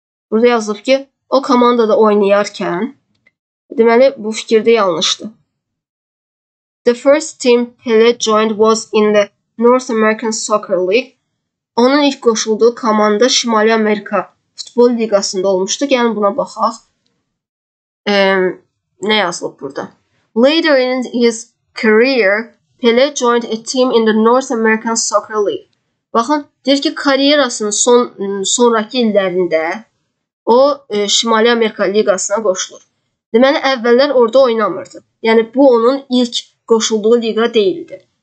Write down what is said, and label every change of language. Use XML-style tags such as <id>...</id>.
<az>Burada yazılıb ki, o komandada oynayarkən, deməli, bu fikirdə yanlışdı.</az> <en>The first team Pelé joined was in the North American Soccer League.</en> <az>Onun ilk qoşulduğu komanda Şimali Amerika Futbol Ligasında olmuşdu. Gəlin buna baxaq. Nə yazılıb burada?</az> <en>Later in his career, Pelé joined a team in the North American Soccer League.</en> <az>Baxın, deyir ki, kariyerasının sonraki illərində o, Şimali Amerika Ligasına qoşulur. Deməli, əvvəllər orada oynamırdı. Yəni, bu, onun ilk qoşulduğu liga deyildi.</az>